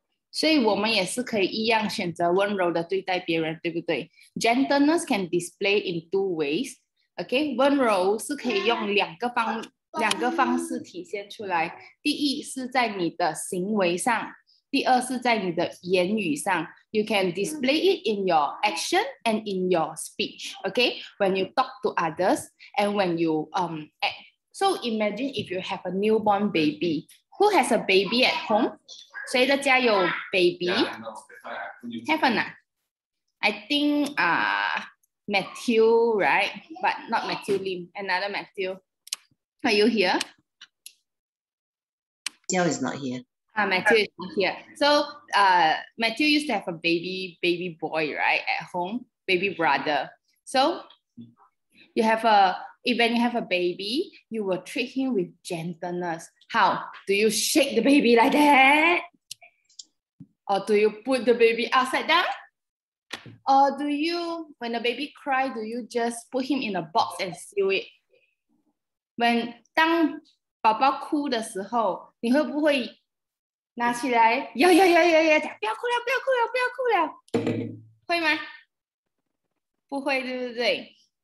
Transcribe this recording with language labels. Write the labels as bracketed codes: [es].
[zh] 所以我们也是可以一样选择温柔的对待别人，对不对？ [en] Gentleness can display in two ways. Okay, [zh] 温柔是可以用两个方式体现出来。第一是在你的行为上，第二是在你的言语上。 [en] You can display it in your action and in your speech. Okay, when you talk to others and when you act. So imagine if you have a newborn baby. Who has a baby at home? [zh] 谁的家有 [en] baby? Heaven, I think Matthew, right? But not Matthew Lim, another Matthew. Are you here? Matthew is not here. Matthew is not here. So Matthew used to have a baby boy, right, at home, baby brother. So you have a... When you have a baby, you will treat him with gentleness. How? Do you shake the baby like that? Or do you put the baby upside down? Or do you, when the baby cries, do you just put him in a box and seal it? When [zh] 当宝宝哭的时候，你会不会拿起来摇摇摇摇摇，不要哭了，不要哭了，不要哭了，会吗？不会，对不对？